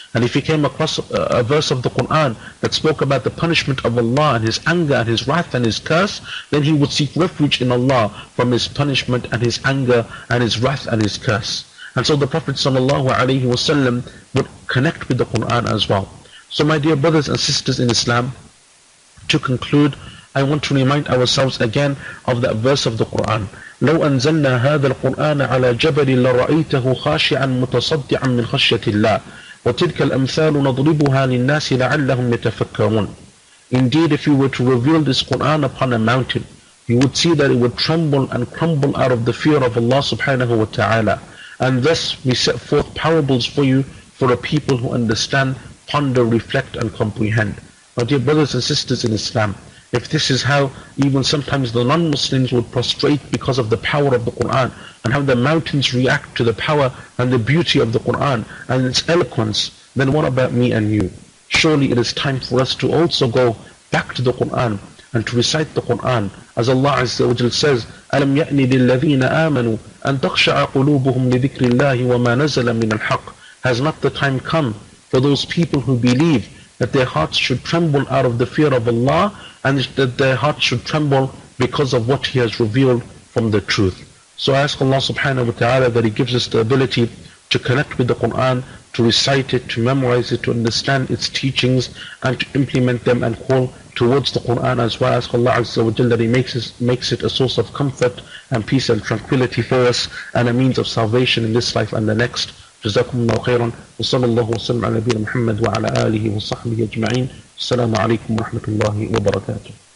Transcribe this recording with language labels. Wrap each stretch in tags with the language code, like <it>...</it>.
<en>And if he came across a verse of the Quran that spoke about the punishment of Allah and his anger and his wrath and his curse, then he would seek refuge in Allah from his punishment and his anger and his wrath and his curse. And so the Prophet sallallahu alayhi wa sallam would connect with the Quran as well. So my dear brothers and sisters in Islam, to conclude, I want to remind ourselves again of that verse of the Quran.</en> <ar>لو أنزلنا هذا القرآن على جبل لرأيته خاشعا متصدعا من خشية الله وتلك الأمثال نضربها للناس لعلهم يتفكرون.</ar> <en>Indeed, if you were to reveal this Quran upon a mountain, you would see that it would tremble and crumble out of the fear of Allah subhanahu wa ta'ala. And thus we set forth parables for you, for a people who understand, ponder, reflect and comprehend. My dear brothers and sisters in Islam, if this is how even sometimes the non-Muslims would prostrate because of the power of the Quran, and how the mountains react to the power and the beauty of the Quran and its eloquence, then what about me and you? Surely it is time for us to also go back to the Quran and to recite the Quran. As Allah Azza wa Jal says,</en> <ar>أَلَمْ يَأْنِ لِلَّذِينَ آمَنُوا أَنْ تَخْشَعَ قُلُوبُهُمْ لِذِكْرِ اللَّهِ وَمَا نَزَلَ مِنَ الْحَقِّ.</ar> <en>Has not the time come for those people who believe that their hearts should tremble out of the fear of Allah, and that their hearts should tremble because of what He has revealed from the truth? So I ask Allah subhanahu wa ta'ala that He gives us the ability to connect with the Quran, to recite it, to memorize it, to understand its teachings, and to implement them and call towards the Quran as well. I ask Allah Azza wa Jalla that He makes it a source of comfort and peace and tranquility for us, and a means of salvation in this life and the next.</en> <ar>جزاكم الله خيرا وصلى الله وسلم على نبينا محمد وعلى آله وصحبه أجمعين السلام عليكم ورحمة الله وبركاته</ar>